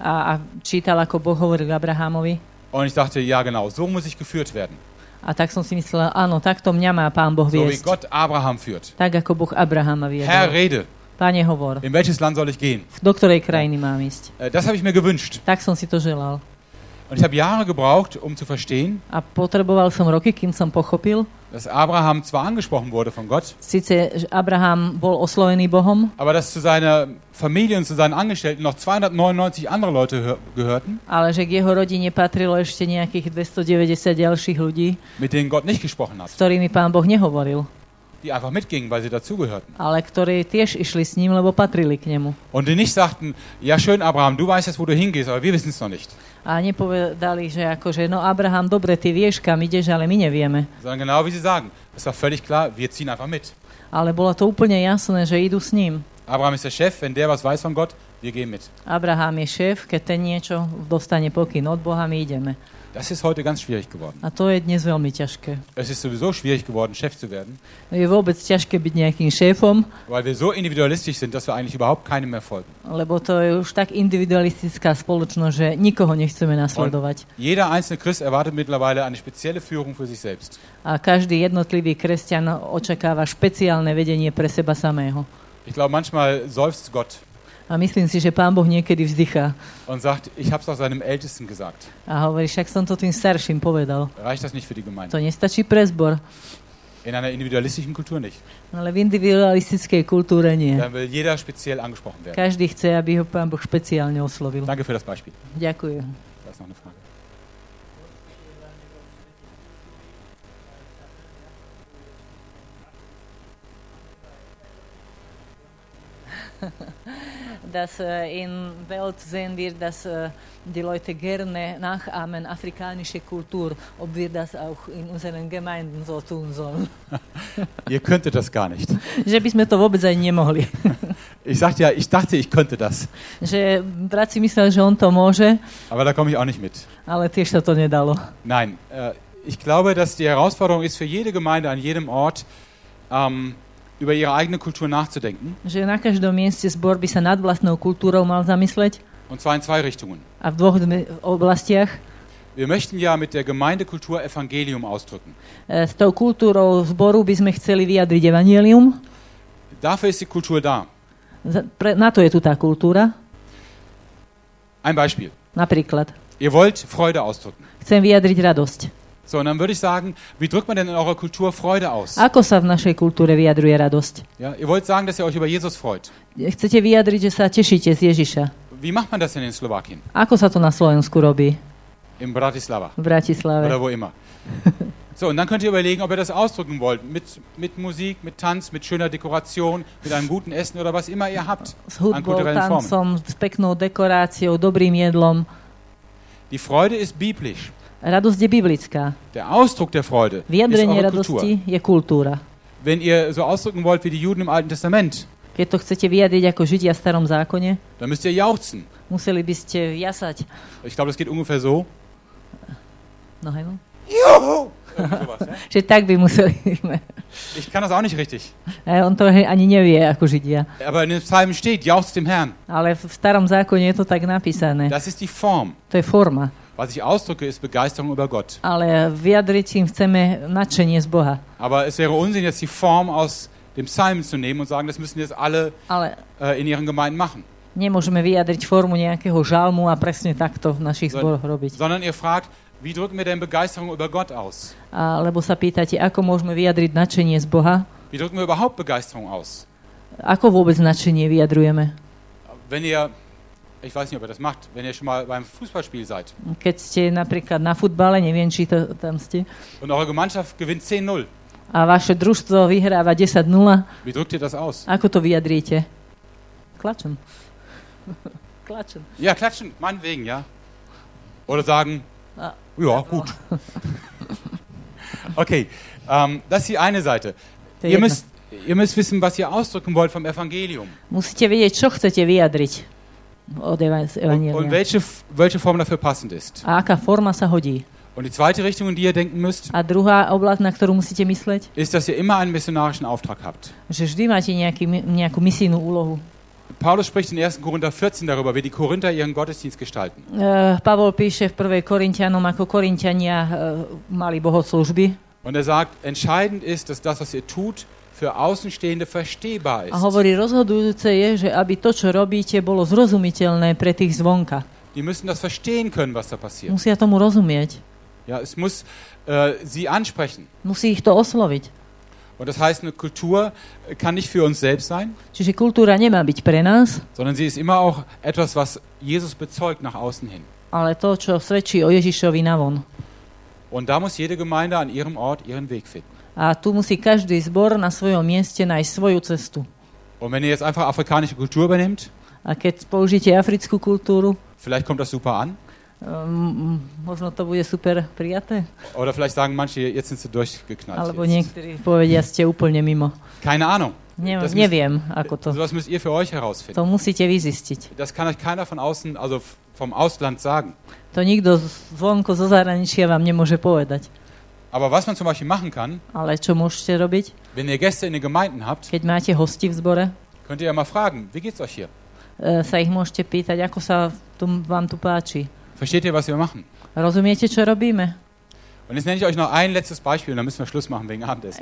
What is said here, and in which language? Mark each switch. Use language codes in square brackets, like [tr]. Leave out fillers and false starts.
[sk] A čítal, ako Boh hovorí k Abrahamovi. [de] Und ich dachte, ja genau, so muss ich geführt werden. [sk] A tak som si myslel, áno, takto mňa má Pán Boh viesť. [de] So wie Gott Abraham führt. [sk] Tak ako Boh Abrahama viedol. [de] Herr, rede. [sk] Pane, hovor. [de] In welches Land soll ich gehen? [sk] Do ktorej krajiny mám ísť? [de] Das habe ich mir gewünscht. [sk] Tak som si to želal. [de] Und ich habe Jahre gebraucht, um zu verstehen. [sk] A potreboval som roky, kým som pochopil. [de] dass Abraham zwar angesprochen wurde von Gott, [sk] sice Abraham bol oslovený Bohom, [de] aber dass zu seiner Familie und zu seinen Angestellten noch 299 andere Leute gehörten, [sk] ale že k jeho rodine patrilo ešte nejakých 290 ďalších ľudí, [de] mit denen Gott nicht gesprochen hat, [sk] s ktorými Pán Boh nehovoril, [de] die einfach mitgingen, weil sie dazugehörten. [sk] Ale ktorí tiež išli s ním, lebo patrili k nemu. [de] Und die nicht sagten, ja schön Abraham, du weißt jetzt, wo du hingehst, aber wir wissen es noch nicht. [sk] A nepovedali, že akože, no Abraham, dobre, ty vieš, kam ideš, ale my nevieme. [de] Sondern genau wie sie sagen, es war völlig klar, wir ziehen einfach mit. [sk] Ale bolo to úplne jasné, že idú s ním. [de] Abraham ist der Chef, wenn der was weiß von Gott, wir gehen mit. [sk] Abraham je šéf, keď ten niečo dostane pokyn od Boha, my ideme. [de] Das ist heute ganz schwierig geworden. [sk] A to je dnes veľmi ťažké. [de] Es ist sowieso schwierig geworden, Chef zu werden. [sk] Je vôbec ťažké byť nejakým šéfom. [de] Weil wir so individualistisch sind, dass wir eigentlich überhaupt keinem mehr folgen. [sk] Lebo to je už tak individualistická spoločnosť, že nikoho nechceme nasledovať. [de] Und jeder einzelne Christ erwartet mittlerweile eine spezielle Führung für sich selbst. [sk] A každý jednotlivý kresťan očakáva špeciálne vedenie pre seba samého. [de] Ich glaube, manchmal seufzt Gott. [sk] A myslím si, že Pán Boh niekedy vzdychá. [de] Und sagt, ich hab's auch seinem Ältesten gesagt. [sk] A hovorí, však som to tým starším povedal. [de] Reicht das nicht für die Gemeinde? [sk] To nestačí pre zbor. [de] In einer individualistischen Kultur nicht. [sk] Ale v individualistickej kultúre nie. [de] Dann will jeder speziell angesprochen werden. [sk] Každý chce, aby ho Pán Boh špeciálne oslovil. [de] Danke für das Beispiel. [sk] Ďakujem. [de] Da ist noch eine Frage. Dass in Welt sehen wir, dass die Leute gerne nachahmen afrikanische Kultur, ob wir das auch in unseren Gemeinden so tun sollen. Ihr könntet das gar nicht. [sk] Že by sme to vôbec aj nemohli. [de] Ich sagte ja, ich dachte, ich könnte das. [sk] Že brat si myslel, že on to môže. [de] Aber da komme ich auch nicht mit. [sk] Ale tiež sa to nedalo. [de] Nein, ich glaube, dass die Herausforderung ist für jede Gemeinde an jedem Ort, über ihre eigene Kultur nachzudenken. [sk] Že na každom mieste zbor by sa nad vlastnou kultúrou mal zamysleť. [de] Und zwar in zwei Richtungen. [sk] A v dvoch oblastiach. [de] Wir möchten ja mit der Gemeindekultur Evangelium ausdrücken. [sk] S tou kultúrou zboru by sme chceli vyjadriť evangelium. [de] Dafür ist die Kultur da. [sk] Na to je tu tá kultúra. [de] Ein Beispiel. [sk] Napríklad. [de] Ihr wollt Freude ausdrücken. [sk] Chcem vyjadriť radosť. [de] So, und dann würde ich sagen, wie drückt man denn in eurer Kultur Freude aus? [sk] Ako sa v našej kultúre vyjadruje radosť? [de] Ja, ihr wollt sagen, dass ihr euch über Jesus freut. [sk] Chcete vyjadriť, že sa tešíte z Ježiša. [de] Wie macht man das denn in Slowakien? [sk] Ako sa to na Slovensku robí? [de] In Bratislava. [sk] V Bratislave. [de] Oder wo immer. So, und dann könnt ihr überlegen, ob ihr das ausdrücken wollt. Mit Musik, mit Tanz, mit schöner Dekoration, mit einem guten Essen oder was immer ihr habt. [sk] S hudbou, [de] an kulturellen Formen. [sk] Tancom, s peknou dekoráciou, dobrým jedlom. [de] Die Freude ist biblisch. [sk] Radosť je biblická. [de] Der Ausdruck der Freude [sk] vyjadrenie radosti je kultúra. [de] Wenn ihr so ausdrücken wollt wie die Juden im Alten Testament, [sk] keď to chcete vyjadriť ako Židia v Starom zákone, [de] dann müsst ihr jauchzen. [sk] Museli by ste jasať. [de] Ich glaube, das geht ungefähr so. No, hejmo. Juhu! [sk] Že tak by museli. [de] Ich kann das auch nicht richtig. [sk] On to ani nevie ako Židia. [de] Aber in dem Psalm steht, jauchzt dem Herrn. [sk] Ale v Starom zákone je to tak napísané. [de] Das ist die Form. [sk] To je forma. [de] Was ich ausdrücke, ist Begeisterung über Gott. [sk] Ale vyjadriť im chceme nadšenie z Boha. [de] Aber es wäre Unsinn, jetzt die Form aus dem Psalm zu nehmen und sagen, das müssen jetzt alle in ihren Gemeinden machen. [sk] Nemôžeme vyjadriť formu nejakého žalmu a presne takto v našich zboroch robiť. [de] Sondern ihr fragt, wie drücken wir denn Begeisterung über Gott aus? [sk] Alebo sa pýtate, ako môžeme vyjadriť nadšenie z Boha? [de] Wie drücken wir überhaupt Begeisterung aus? [sk] Ako vôbec nadšenie vyjadrujeme? [de] Wenn ihr... Ich weiß nicht, ob ihr das macht, wenn ihr schon mal beim Fußballspiel seid. [sk] Keď ste napríklad na futbale, neviem, či to tam ste. [de] Und eure Mannschaft gewinnt 10-0. [sk] A vaše družstvo vyhráva 10-0. [de] Wie drückt ihr das aus? [sk] Ako to vyjadríte? [de] Klatschen. Klatschen. Ja, klatschen, meinetwegen, ja. Oder sagen, ja, gut. Okay, das ist die eine Seite. Ihr müsst wissen, was ihr ausdrücken wollt vom Evangelium. [sk] Musíte vedieť, čo chcete vyjadriť. [de] Und welche Form dafür passend ist. [sk] A aká forma sa hodí. [de] Und die zweite Richtung, in die ihr denken müsst, [sk] a druhá oblasť, na ktorú musíte mysleť, [de] ist, dass ihr immer einen missionarischen Auftrag habt. [sk] Že vždy máte nejakú misijnú úlohu. [de] Paulus spricht in 1. Korinther 14 darüber, wie die Korinther ihren Gottesdienst gestalten. [sk] Pavol píše v 1. Korintianom, ako Korintiania mali bohoslužby. [de] Und er sagt, entscheidend ist, dass das, was ihr tut, für Außenstehende verstehbar ist. [sk] A hovorí, rozhodujúce je, že aby to, čo robíte, bolo zrozumiteľné pre tých zvonka. [de] Die müssen das verstehen können, was da passiert. [sk] Musia tomu rozumieť. [de] Ja, es muss sie ansprechen. [sk] Musí ich to osloviť. [de] Und das heißt, eine Kultur kann nicht für uns selbst sein. [sk] Čiže kultúra nemá byť pre nás. [de] Sondern sie ist immer auch etwas, was Jesus bezeugt nach außen hin. [sk] Ale to, čo svedčí o Ježišovi navon. [de] Und da muss jede Gemeinde an ihrem Ort ihren Weg finden. [sk] A tu musí každý zbor na svojom mieste nájsť svoju cestu. [de] Und wenn ihr jetzt einfach afrikanische Kultur übernimmt, [sk] a keď použijete africkú kultúru, [de] vielleicht kommt das super an. [sk] Možno to bude super prijaté. [de] Oder vielleicht sagen manche, jetzt sind sie durchgeknallt. [sk] Alebo niektorí povedia, ste úplne mimo. [de] Keine Ahnung. [sk] Neviem, ako to. [de] Sowas müsst ihr für euch herausfinden. [sk] To musíte vy zistiť. [de] Das kann euch keiner von außen, also vom Ausland sagen. [sk] To nikto zvonko zo zahraničia vám nemôže povedať. [de] Aber was man zum Beispiel machen kann, [sk] ale čo môžete robiť? [de] Wenn ihr Gäste in den Gemeinden habt, [sk] keď máte hosti v zbore, [de] könnt ihr ja mal fragen, wie geht's euch hier? [sk] Sa ich môžete pýtať, ako sa vám tu páči. [de] Versteht ihr, was wir machen? [sk] Rozumiete, čo robíme? [de] Und jetzt nenne ich euch noch ein letztes Beispiel, dann müssen wir Schluss machen wegen Abendessen.